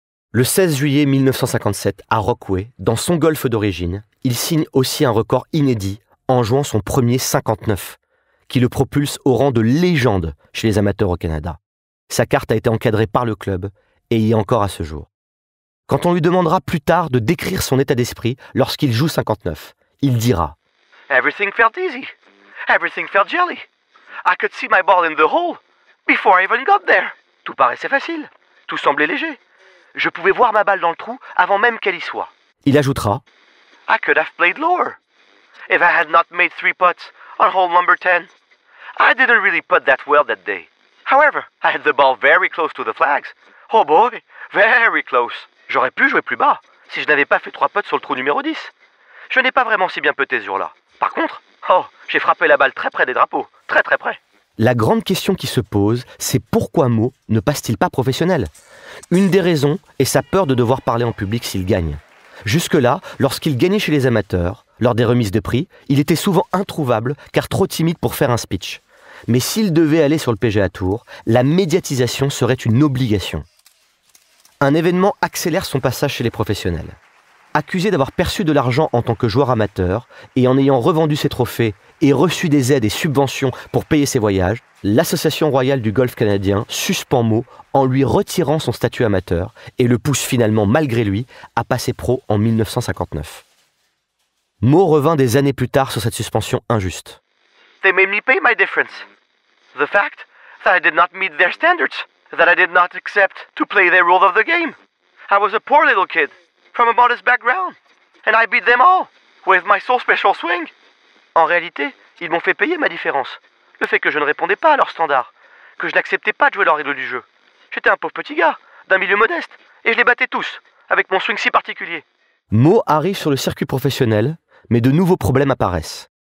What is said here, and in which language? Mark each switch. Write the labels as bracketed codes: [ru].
[fr] Le 16 juillet 1957, à Rockaway, dans son golf d'origine, il signe aussi un record inédit en jouant son premier 59, qui le propulse au rang de légende chez les amateurs au Canada. Sa carte a été encadrée par le club et y est encore à ce jour. Quand on lui demandera plus tard de décrire son état d'esprit lorsqu'il joue 59, il dira [en] « Everything felt easy. Everything felt jelly. I could see my ball in the hole before I even got there. [fr] Tout paraissait facile. Tout semblait léger. Je pouvais voir ma balle dans le trou avant même qu'elle y soit. » Il ajoutera [en] « I could have played lower if I had not made 3 putts on hole number 10. I didn't really putt that well that day. However, I had the ball very close to the flags. Oh boy, very close. [fr] J'aurais pu jouer plus bas si je n'avais pas fait 3 putts sur le trou numéro 10. Je n'ai pas vraiment si bien putté ce jour-là. Par contre, oh, j'ai frappé la balle très près des drapeaux, très très près. » La grande question qui se pose, c'est pourquoi Mo ne passe-t-il pas professionnel ? Une des raisons est sa peur de devoir parler en public s'il gagne. Jusque-là, lorsqu'il gagnait chez les amateurs, lors des remises de prix, il était souvent introuvable car trop timide pour faire un speech. Mais s'il devait aller sur le PGA Tour, la médiatisation serait une obligation. Un événement accélère son passage chez les professionnels. Accusé d'avoir perçu de l'argent en tant que joueur amateur et en ayant revendu ses trophées et reçu des aides et subventions pour payer ses voyages, l'Association royale du golf canadien suspend Mo en lui retirant son statut amateur et le pousse finalement, malgré lui, à passer pro en 1959. Mo revint des années plus tard sur cette suspension injuste. [en] They made me pay my difference. The fact that I did not meet their standards, that I did not accept to play their rules of the game. I was a poor little kid from a modest background, and I beat them all with my so special swing. [fr] En réalité, ils m'ont fait payer ma différence. Le fait que je ne répondais pas à leurs standards, que je n'acceptais pas de jouer leurs règles du jeu. J'étais un pauvre petit gars, d'un milieu modeste, et je les battais tous, avec mon swing si particulier. Mo arrive sur le circuit professionnel, mais de nouveaux problèmes apparaissent.